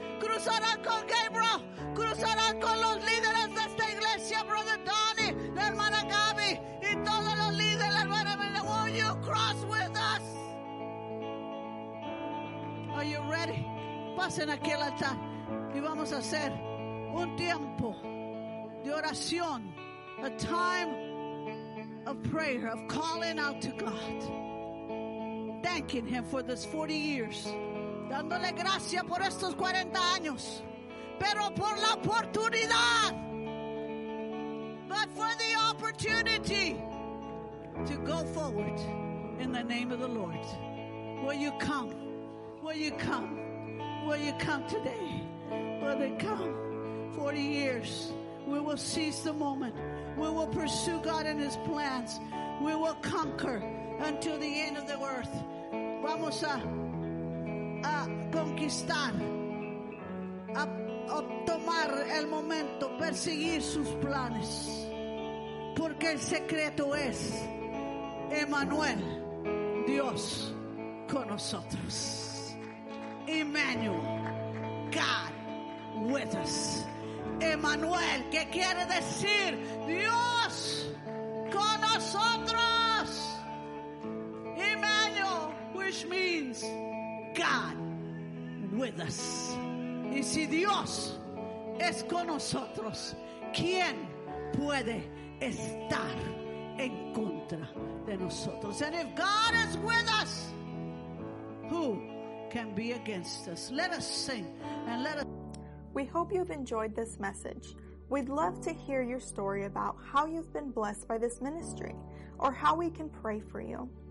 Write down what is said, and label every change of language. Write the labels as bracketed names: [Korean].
[Spanish] Cruzarán con Gabriel. Cruzarán con los líderes de esta iglesia, brother Donnie, la hermana Gaby y todos los líderes, hermana. [English] Will you cross with us? Are you ready? [Spanish] Pasen aquí al altar. Y vamos a hacer un tiempo de oración. [English] A time of prayer, of calling out to God. Thanking Him for this 40 years. [Spanish] Dándole gracias por estos 40 años. Pero por la oportunidad. [English] But for the opportunity to go forward in the name of the Lord. Will you come? Will you come? Will you come today? Will they come? 40 years. We will seize the moment. We will pursue God and His plans. We will conquer until the end of the earth. [Spanish] Vamos a conquistar, a tomar el momento, perseguir sus planes. Porque el secreto es Emmanuel, Dios con nosotros. [English] Emmanuel, God with us. [Spanish] Emmanuel, que quiere decir Dios con nosotros. [English] Emmanuel, which means God with us. [Spanish] Y si Dios es con nosotros, ¿quién puede estar en contra de nosotros? [English] And if God is with us, who can be against us? Let us sing and let us... We hope you've enjoyed this message. We'd love to hear your story about how you've been blessed by this ministry or how we can pray for you.